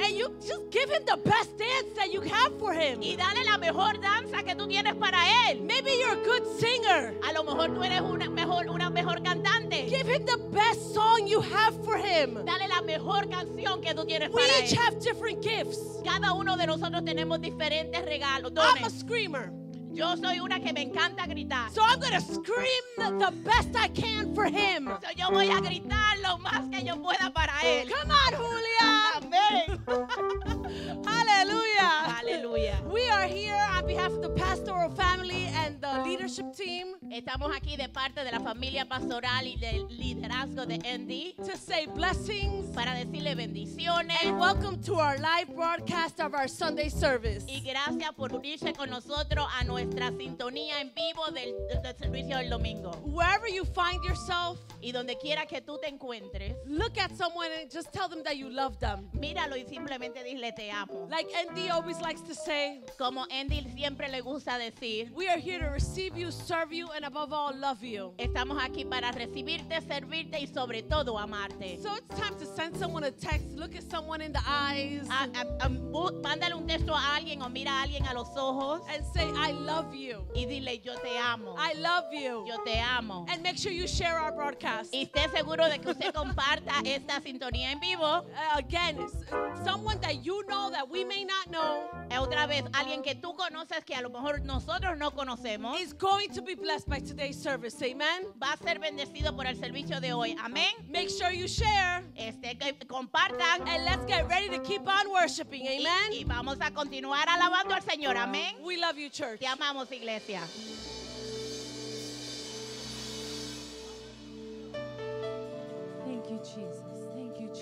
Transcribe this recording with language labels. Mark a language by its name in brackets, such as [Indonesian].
[English] And you just give him the best dance that you have for him. [Spanish] Y dale la mejor danza que tú tienes para él. [English] Maybe you're a good singer. [Spanish] A lo mejor tú eres una mejor cantante. [English] Give him the best song you have for him. [Spanish] Dale la mejor canción que tú tienes [English] we [Spanish] para él. [English] We each have different gifts. [Spanish] Cada uno de nosotros tenemos diferentes regalos, dones. [English] I'm a screamer. [Spanish] Yo soy una que me encanta gritar. [English] So I'm gonna scream the best I can for him. [Spanish] So yo voy a gritar lo más que yo pueda para él. [English] Come on, Julia. Amen. Hallelujah. Hallelujah. We are here on behalf of the pastoral family and the leadership team. [Spanish] Estamos aquí de parte de la familia pastoral y del liderazgo de ND. [English] To say blessings. [Spanish] Para decirle bendiciones. [English] And welcome to our live broadcast of our Sunday service. [Spanish] Y gracias por unirse con nosotros a nuestra sintonía en vivo del servicio del domingo. [English] Wherever you find yourself. [Spanish] Y donde quiera que tú te encuentres. [English] Look at someone and just tell them that you love them. [Spanish] Míralo y simplemente dile te amo. [English] Like ND always likes to say. [Spanish] Como ND siempre le gusta decir. [English] We are here to receive you, serve you, and above all, love you. [Spanish] Estamos aquí para recibirte, servirte y sobre todo amarte. [English] So it's time to send someone a text. Look at someone in the eyes. [Spanish] Mándale un texto a alguien o mira a alguien a los ojos. [English] And say I love you. [Spanish] Y dile yo te amo. [English] I love you. [Spanish] Yo te amo. [English] And make sure you share our broadcast. [Spanish] Y esté seguro de que usted comparta esta sintonía en vivo. [English] Again, someone that you know that we may not know. [Spanish] Otra vez, alguien que tú conoces que a lo mejor nosotros no conocemos. [English] Is going to be blessed by today's service. Amen. [Spanish] Va a ser bendecido por el servicio de hoy. Amen. [English] Make sure you share. [Spanish] Compartan. [English] And let's get ready to keep on worshiping. Amen. [Spanish] Y vamos a continuar alabando al Señor. Amen. [English] We love you, church. [Spanish] Te amamos, iglesia. [English] Thank you, Jesus. Thank you, Jesus.